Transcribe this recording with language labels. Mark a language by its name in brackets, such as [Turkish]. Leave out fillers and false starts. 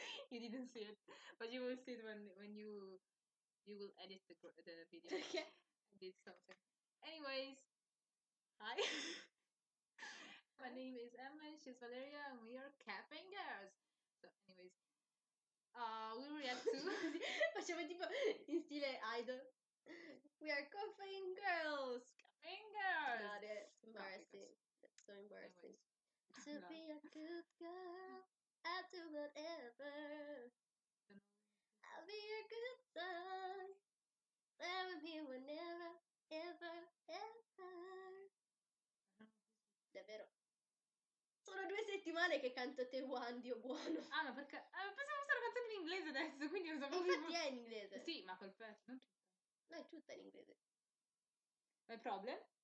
[English] You didn't see it, but you will see it when you will edit the video. Yeah. And did something. Anyways, hi. My name is Emma. She's Valeria, and we are capping girls. So, anyways, we react to. [Italian] Facciamo tipo in stile idol. [English] We are coughing girls. Capping girls. Got it. Embarrassing. That's so embarrassing. Anyways. To be a good girl. I'll do whatever. I'll be your good boy. Play with me whenever, ever, ever. [Italian] Davvero? Sono due settimane che canto Te Juan, Dio Buono. Ah, ma perché? Pensavo fosse una canzone in inglese adesso, quindi non sapevo. Infatti è in inglese. Sì, ma quel pezzo, non tutta. No, è tutta in inglese. Ma il problema?